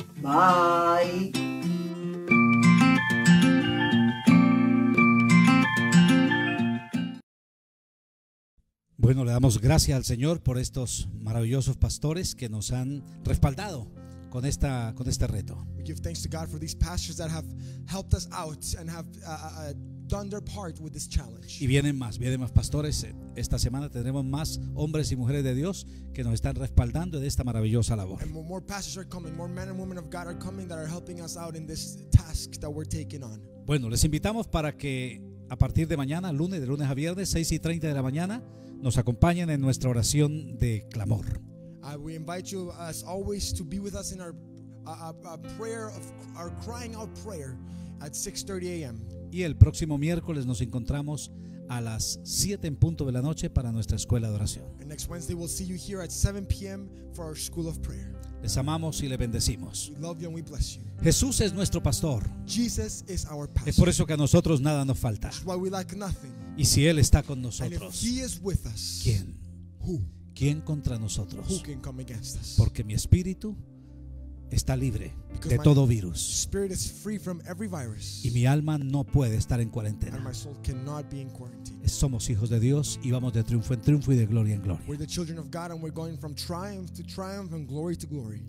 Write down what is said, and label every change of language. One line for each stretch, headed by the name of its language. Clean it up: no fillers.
English: Bye.
Spanish: Bueno, le damos gracias al Señor por estos maravillosos pastores que nos han respaldado con esta con este reto.
English: We give thanks to God for these pastors that have helped us out and have done their part with this challenge.
Spanish: Y vienen más pastores. Esta semana tendremos más hombres y mujeres de Dios que nos están respaldando en esta maravillosa labor.
English: And more pastors are coming, more men and women of God are coming that are helping us out in this task that we're taking on.
Spanish: Bueno, les invitamos para que a partir de mañana, lunes, de lunes a viernes, 6:30 de la mañana, nos acompañen en nuestra oración de clamor.
English: We invite you, as always, to be with us in our prayer of our crying out prayer at 6:30 a.m.
Spanish: Y el próximo miércoles nos encontramos a las 7 en punto de la noche para nuestra escuela de oración.
English: And next Wednesday we'll see you here at 7 p.m. for our school of prayer.
Spanish: Les amamos y les bendecimos.
English: We love you and we bless you.
Spanish: Jesús es nuestro pastor.
English: Jesus is our pastor.
Spanish: Es por eso que a nosotros nada nos falta.
English: That's why we lack nothing.
Spanish: Y si Él está con nosotros,
English: and if He is with us,
Spanish: ¿quién?
English: Who?
Spanish: ¿Quién contra nosotros?
English: Who can come against us?
Spanish: Porque mi espíritu está libre
English: because
Spanish: de todo virus.
English: Spirit is free from every virus.
Spanish: Y mi alma no puede estar en cuarentena.
English: And my soul cannot be in quarantine.
Spanish: Somos hijos de Dios y vamos de triunfo en triunfo y de gloria en gloria.
English: We're the children of God and we're going from triumph to triumph and glory to glory.